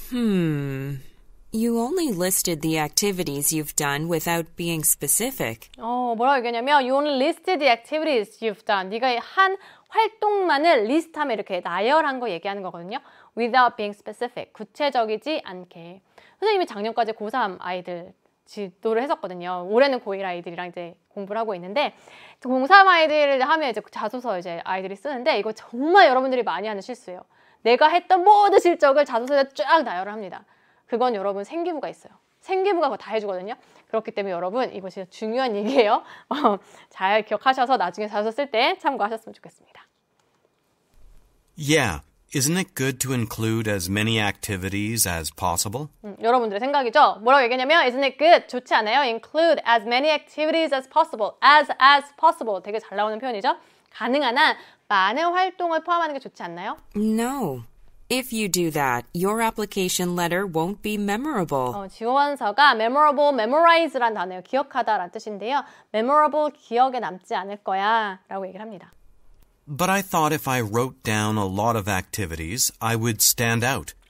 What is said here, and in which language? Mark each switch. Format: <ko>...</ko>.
<en>You only listed the activities you've done without being specific.</en> <ko>뭐라고 얘기하냐면</ko> <en>you only listed the activities you've done.</en> <ko>네가 한 활동만을 리스트하면 이렇게 나열한 거 얘기하는 거거든요.</ko> <en>Without being specific,</en> <ko>구체적이지 않게. 선생님이 작년까지 고3 아이들 지도를 했었거든요. 올해는 고1 아이들이랑 이제 공부를 하고 있는데 고3 아이들을 하면 이제 자소서 이제 아이들이 쓰는데 이거 정말 여러분들이 많이 하는 실수예요. 내가 했던 모든 실적을 자소서에 쫙 나열을 합니다. 그건 여러분 생기부가 있어요. 생기부가 그거 다 해주거든요. 그렇기 때문에 여러분 이거 진짜 중요한 얘기예요. 잘 기억하셔서 나중에 자소서 쓸 때 참고하셨으면 좋겠습니다.</ko> <en>Yeah, isn't it good to include as many activities as possible?</en> <ko>여러분들의 생각이죠? 뭐라고 얘기하냐면</ko> <en>isn't it good?</en> <ko>좋지 않아요?</ko> <en>Include as many activities as possible. As possible.</en> <ko>되게 잘 나오는 표현이죠? 가능한 한 많은 활동을 포함하는 게 좋지 않나요?</ko> <en>No. If you do that, your application letter won't be memorable.</en> <ko>지원서가 memorable, memorize란 단어예요. 기억하다란 뜻인데요. Memorable, 기억에 남지 않을 거야 라고 얘기를 합니다.</ko> <en>But I thought if I wrote down a lot of activities, I would stand out.</en>